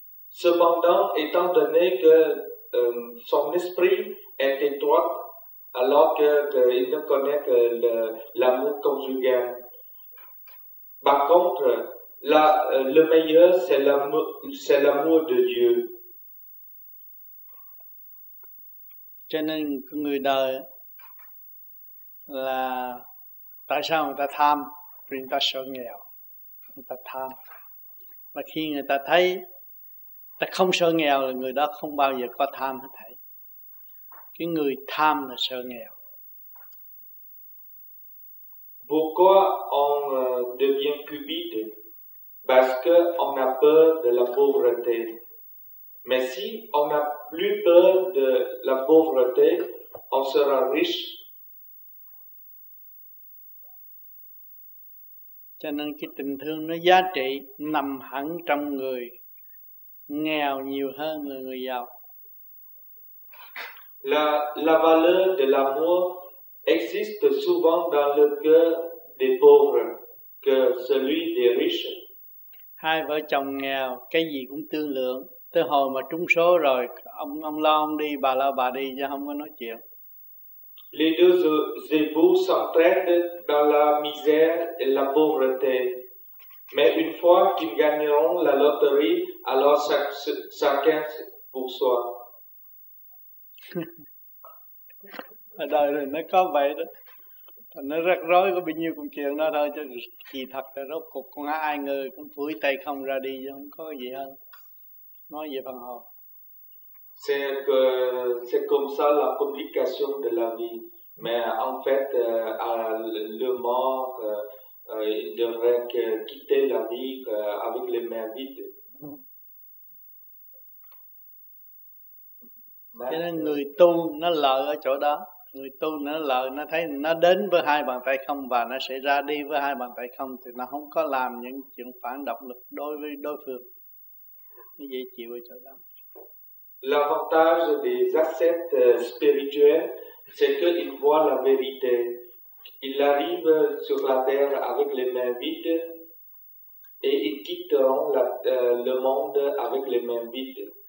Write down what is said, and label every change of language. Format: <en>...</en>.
<fr>Cependant, étant donné que son esprit est étroit, alors qu'il ne connaît que l'amour conjugal. Par contre, le meilleur, c'est l'amour de Dieu.</fr> <vi>Cho nên người đời là tại sao người ta tham? Vì người ta sợ nghèo, người ta tham. Và khi người ta thấy ta không sợ nghèo là người đó không bao giờ có tham hết thảy. Cái người tham là sợ nghèo.</vi> <fr>Pourquoi on devient cupide? Parce qu'on a peur de la pauvreté. Mais si on n'a plus peur de la pauvreté, on sera riche.</fr> <vi>Cho nên cái tình thương nó giá trị nằm hẳn trong người nghèo nhiều hơn là người giàu.</vi> <fr>La valeur de l'amour existe souvent dans le cœur des pauvres que celui des riches.</fr> <vi>Hai vợ chồng nghèo, cái gì cũng tương lượng. Tới hồi mà trúng số rồi, ông lo ông đi, bà lo bà đi, chứ không có nói chuyện.</vi> <fr>Les deux époux s'entraident dans la misère et la pauvreté. Mais une fois qu'ils gagneront la loterie, alors chacun pour soi.</fr> <vi>Ở đời này nó có vậy đó. Nó rắc rối có bao nhiêu công chuyện đó thôi. Chứ kỳ thật là rốt cuộc con ai người cũng phủi tay không ra đi, chứ không có gì hơn. Nói về phần hồn.</vi> <fr>C'est comme ça la complication de la vie. Mais en fait à le mort il devrait quitter la vie avec les mains vides.</fr> <vi>Cho nên người tu nó lợi ở chỗ đó. Người tu nó lợi, nó thấy nó đến với hai bàn tay không và nó sẽ ra đi với hai bàn tay không, thì nó không có làm những chuyện phản động lực đối với đối phương. Nó dễ chịu ở chỗ đó.</vi> <fr>L'avantage des ascètes spirituels, c'est qu'ils voient la vérité. Ils arrivent sur la terre avec les mains vides et ils quitteront le monde avec les mains vides.</fr>